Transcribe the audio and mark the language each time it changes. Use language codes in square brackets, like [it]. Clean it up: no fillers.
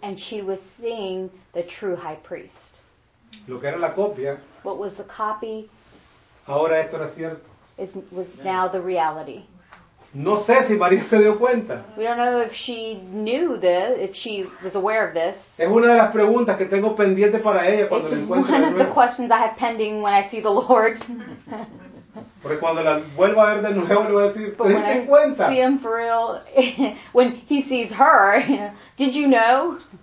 [en] And she was seeing the true high priest. [es] Lo que era la copia. [en] What was the copy? [es] Ahora esto era cierto. [en] It was now the reality. [es] No sé si María se dio cuenta. [en] We don't know if she knew this, if she was aware of this. [es] Es una de las preguntas que tengo pendiente para ella cuando [en] It's [es] la encuentro. [en] It's one of the questions I have pending when I see the Lord. [es] Porque cuando la vuelva a ver de nuevo le voy a decir, ¿te diste cuenta? [en] See him for real, when he sees her, did you know?